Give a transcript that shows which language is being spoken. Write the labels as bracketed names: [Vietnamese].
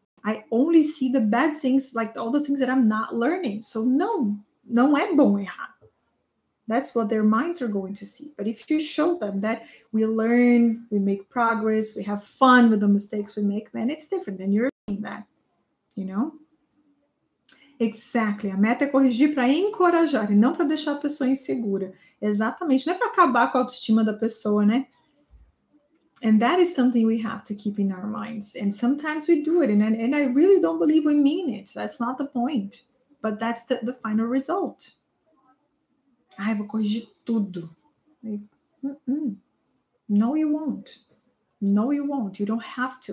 [English] I only see the bad things, like all the things that I'm not learning. So [Portuguese] no é bom errar. [English] That's what their minds are going to see. But if you show them that we learn, we make progress, we have fun with the mistakes we make, then it's different. Then you're saying that, you know? Exactly. [Portuguese] A meta é corrigir para encorajar e não para deixar a pessoa insegura. Exatamente. Não é para acabar com a autoestima da pessoa, né? [English] And that is something we have to keep in our minds. And sometimes we do it. And I really don't believe we mean it. That's not the point. But that's the final result. [Portuguese] Ai, vou corrigir tudo. [English] No, you won't. No, you won't. You don't have to.